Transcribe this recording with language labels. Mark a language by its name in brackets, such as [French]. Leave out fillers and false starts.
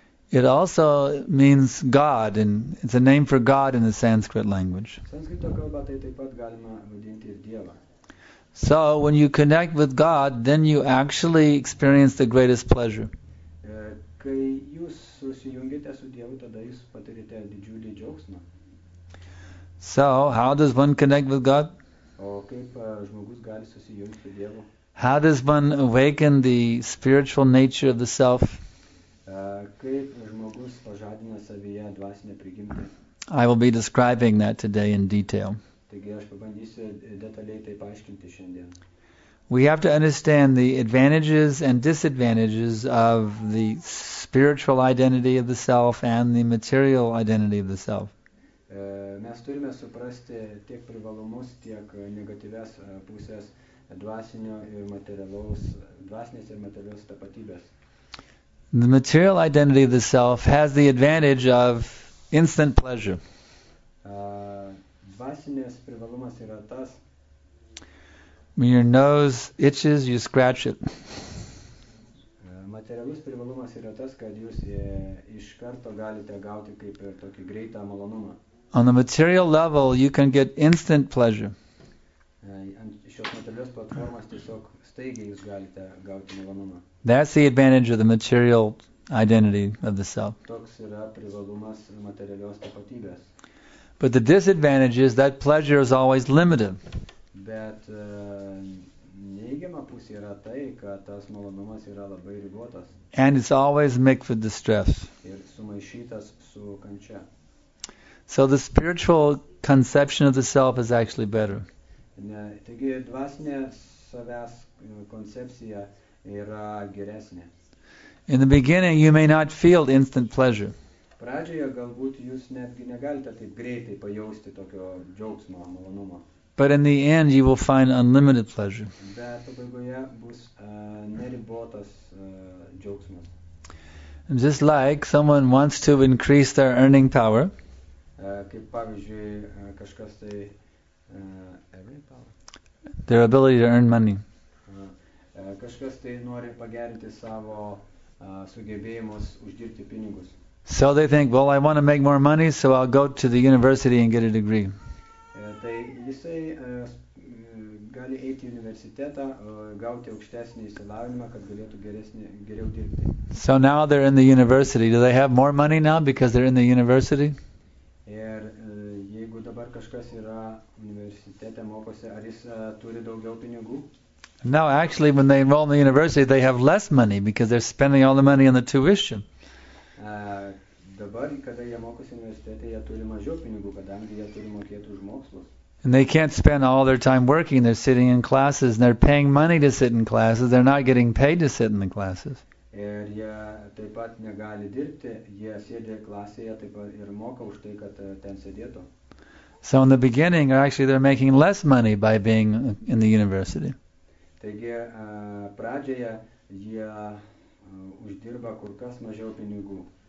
[English] It also means God, and it's a name for God in the Sanskrit language. [Lithuanian] Sanskrito kalba tai taip pat galima vadinti ir Dievą. [English] So when you connect with God, then you actually experience the greatest pleasure. [Lithuanian] Kai jūs susijungite su Dievu, tada jūs patirite didžiulį džiaugsmą. [English] So how does one connect with God? [Lithuanian] O kaip žmogus gali susijungti su Dievu? [English] How does one awaken the spiritual nature of the self? [Lithuanian] Kaip žmogus pažadina savyje dvasinę prigimtį. [English] I will be describing that today in detail. [Lithuanian] Taigi aš pabandysiu detaliai tai paaiškinti šiandien. [English] We have to understand the advantages and disadvantages of the spiritual identity of the self and the material identity of the self. [Lithuanian] Mes turime suprasti tiek privalumus, tiek negatyves pusės dvasinės ir materialios tapatybės. [English] The material identity of the self has the advantage of instant pleasure. [Lithuanian] Dvasinės privalumas yra tas. [English] When your nose itches, you scratch it. [Lithuanian] Materialus privalumas yra tas, kad jūs iš karto galite gauti kaip ir tokį greitą malonumą. [English] On the material level, you can get instant pleasure. [Lithuanian] Šios materialios platformos tiesiog staigiai jūs galite gauti malonumą. [English] That's the advantage of the material identity of the self. [Lithuanian] Toks yra privalumas materialios tapatybės. [English] But the disadvantage is that pleasure is always limited. [Lithuanian] Bet neigiama pusė yra tai, kad tas malonumas yra labai ribotas. [English] And it's always mixed with distress. [Lithuanian] Ir sumaišytas su kančia. [English] So the spiritual conception of the self is actually better. [Lithuanian] Taigi dvasinė savęs koncepcija yra geresnė. [English] In the beginning you may not feel instant pleasure. [Lithuanian] Pradžioje galbūt jūs netgi negalite taip greitai pajausti tokio džiaugsmo, malonumo. [English] But in the end, you will find unlimited pleasure. [Lithuanian] Bet pabaigoje bus neribotas džiaugsmas. [English] Just like someone wants to increase their earning power. [Lithuanian] Kaip pavyzdžiui, kažkas tai [English] earning power. Their ability to earn money. [Lithuanian] Kažkas tai nori pagerinti savo sugebėjimus uždirbti pinigus. [English] So they think, well, I want to make more money, so I'll go to the university and get a degree. [Lithuanian] Tai jisai gali eiti į universitetą, gauti aukštesnį išsilavinimą, kad galėtų geriau dirbti. [English] So now they're in the university. Do they have more money now because they're in the university? [Lithuanian] Ir jeigu dabar kažkas yra universitete mokosi, ar jis turi daugiau pinigų? [English] No, actually, when they enroll in the university, they have less money because they're spending all the money on the tuition. [Lithuanian] Dabar, kada jie mokosi universitete, jie turi mažiau pinigų, kadangi jie turi mokėti už mokslus. [English] And they can't spend all their time working. They're sitting in classes and they're paying money to sit in classes. They're not getting paid to sit in the classes. [Lithuanian] Ir jie taip pat negali dirbti. Jie sėdė klasėje taip pat ir moka už tai, kad ten sėdėtų. [English] So in the beginning, actually, they're making less money by being in the university. [Lithuanian] Taigi, pradžioje jie uždirba kur kas mažiau pinigų.